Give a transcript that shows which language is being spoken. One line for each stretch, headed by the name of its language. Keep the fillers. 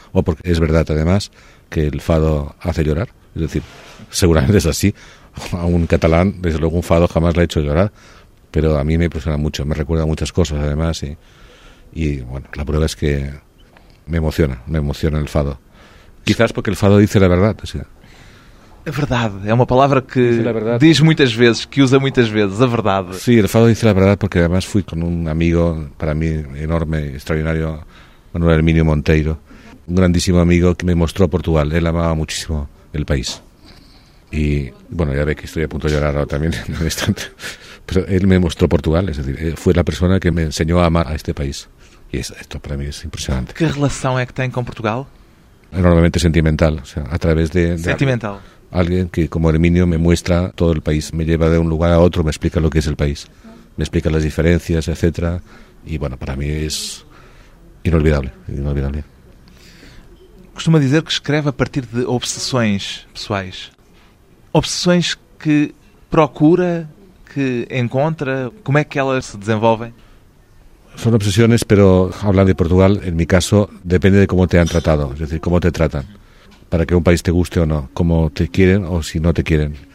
Spanish: O porque es verdad, además, que el fado hace llorar. Es decir, seguramente es así. A un catalán, desde luego, un fado jamás le he ha hecho llorar. Pero a mí me impresiona mucho. Me recuerda muchas cosas, además. Y, y bueno, la prueba es que me emociona. Me emociona el fado. Quizás porque el fado dice la verdad. O sea,
Portuguese: A verdade. É uma palavra que diz, diz muitas vezes, que usa muitas vezes. A verdade. Sim, sí, ele fala a verdade porque,
Spanish: además,
Portuguese: fui com um amigo, para mim, enorme, extraordinário, Manuel Hermínio Monteiro. Um grandíssimo amigo que me mostrou Portugal. Ele amava muitíssimo
Spanish: el bueno,
Portuguese: o país. E, bueno, já vejo que estou a ponto de chorar também, no instante. me mostrou Portugal,
Spanish: es decir, fue la persona que me enseñó a amar a este país.
Portuguese: e esto para mim é impresionante. ¿Qué relação é que tem com Portugal?
Spanish: Enormemente sentimental, o sea, de... sentimental. De alguien que como Herminio me muestra todo el país, me lleva de un lugar a otro, me explica lo que es el país, me explica las diferencias, etcétera, y bueno, para mí es inolvidable, inolvidable.
Portuguese: Costuma dizer que escreve a partir de obsesiones pessoais. Obsesiones que procura, que encontra,
Spanish: ¿cómo es que ellas
Portuguese: se desenvolvem?
Spanish: Son obsesiones, pero hablando de Portugal, en mi caso, depende de cómo te han tratado, es decir, cómo te tratan para que un país te guste o no, como te quieren o si no te quieren.